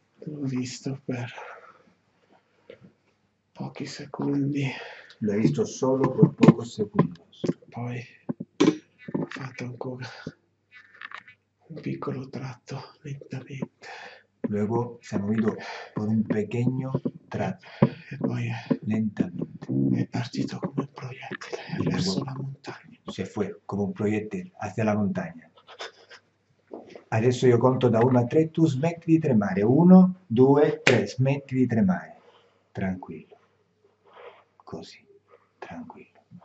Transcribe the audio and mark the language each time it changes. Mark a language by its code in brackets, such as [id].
[it] L'ho visto per pochi secondi. L'ho visto solo per pochi secondi. Poi ho fatto ancora un piccolo tratto lentamente. [es] Luego se ha movido por un pequeño tratto. [it] E poi lentamente. È partito come un proiettile y verso la montagna. [es] Se fue como [it] un proiettile [es] hacia la montagna. [it] Adesso io conto da 1 a 3, tu smetti di tremare. 1, 2, 3, smetti di tremare. Tranquillo. Così, tranquillo.